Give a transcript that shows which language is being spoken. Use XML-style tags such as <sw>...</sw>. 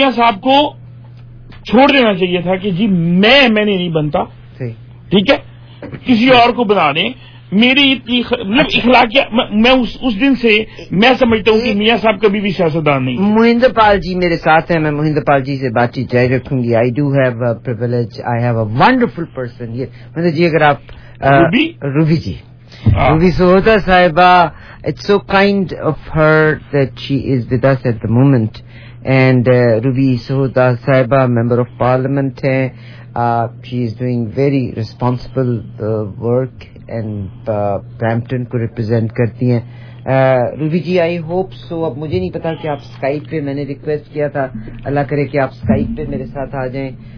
<ur>میاں صاحب کو چھوڑ دینا چاہیے تھا کہ جی میں نے نہیں بنتا, ٹھیک ہے کسی اور کو بنا دیں. میری اتنی مطلب اخلاق, میں اس دن سے میں سمجھتا ہوں کہ میاں صاحب کبھی بھی سیاستدان نہیں. مہندر پال جی میرے ساتھ ہیں, میں مہندر پال جی سے بات چیت جاری رکھوں گی.</ur> <en>I do have a privilege, I have a wonderful person. Mahinder ji</en> <ur>اگر آپ</ur> <en>Ruby ji, Ruby Sahota صاحبہ, it's so kind of her that she is with us at the moment. And Ruby Sahota صاحبہ member of parliament ہے, she is doing very responsible work and Brampton</en> <ur>کو represent کرتی ہیں. روبی جی</ur> <en>I hope so.</en> <ur>اب مجھے نہیں پتا کہ آپ اسکائپ پہ, میں نے ریکویسٹ کیا تھا اللہ کرے کہ آپ اسکائپ پہ میرے ساتھ آ جائیں.</ur>